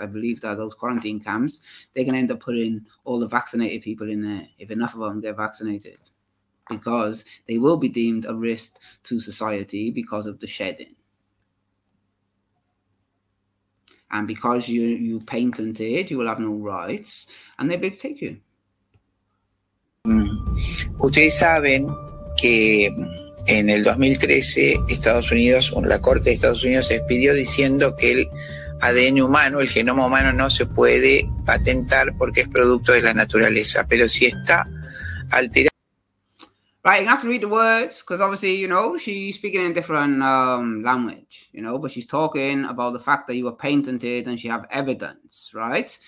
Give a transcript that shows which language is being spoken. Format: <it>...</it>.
<en>I believe that those quarantine camps, they're going to end up putting all the vaccinated people in there if enough of them get vaccinated, because they will be deemed a risk to society because of the shedding. And because you patented, you will have no rights and they'll be able to take you.</en> <es>Ustedes saben que en el 2013 Estados Unidos, la Corte de Estados Unidos se expidió diciendo que el ADN humano, el genoma humano no se puede patentar porque es producto de la naturaleza, pero si está alterado.</es> <en>Right, I have to read the words because obviously, you know, she's speaking in a different language, you know, but she's talking about the fact that you were patented and she have evidence, right?</en>